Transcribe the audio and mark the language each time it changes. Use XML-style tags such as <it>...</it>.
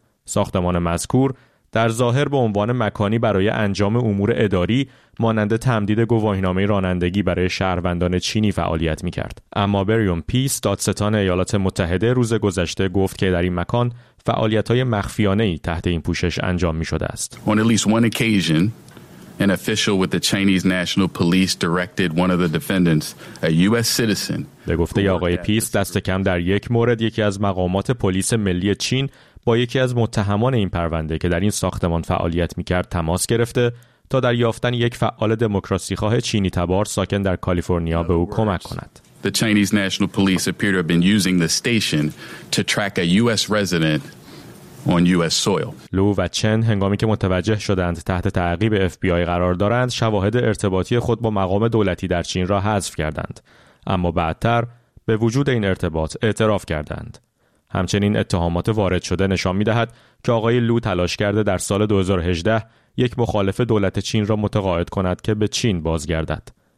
<fa>ساختمان مذکور در ظاهر به عنوان مکانی برای انجام امور اداری مانند تمدید گواهینامه رانندگی برای شهروندان چینی فعالیت می‌کرد. اما بریوم پیس، دادستان ایالات متحده، روز گذشته گفت که در این مکان فعالیت‌های مخفیانه‌ای تحت این پوشش انجام می‌شده است.</fa> <en>On at least one occasion, an official with the Chinese National Police directed one of the defendants, a US citizen.</en> <fa>به گفته آقای پیس، دست کم در 1 مورد یکی از مقامات پلیس ملی چین با یکی از متهمان این پرونده که در این ساختمان فعالیت می‌کرد تماس گرفته تا در یافتن یک فعال دموکراسی‌خواه چینی تبار ساکن در کالیفرنیا به او کمک کند.</fa> <en>The Chinese National Police appear to have been using the station to track a US resident on US soil.</en> <fa>لو و چن هنگامی که متوجه شدند تحت تعقیب FBI قرار دارند، شواهد ارتباطی خود با مقام دولتی در چین را حذف کردند، اما بعدتر به وجود این ارتباط اعتراف کردند. همچنین اتهامات وارد شده نشان می‌دهد که آقای لو تلاش کرده در سال 2018 یک مخالف دولت چین را متقاعد کند که به چین بازگردد.</fa>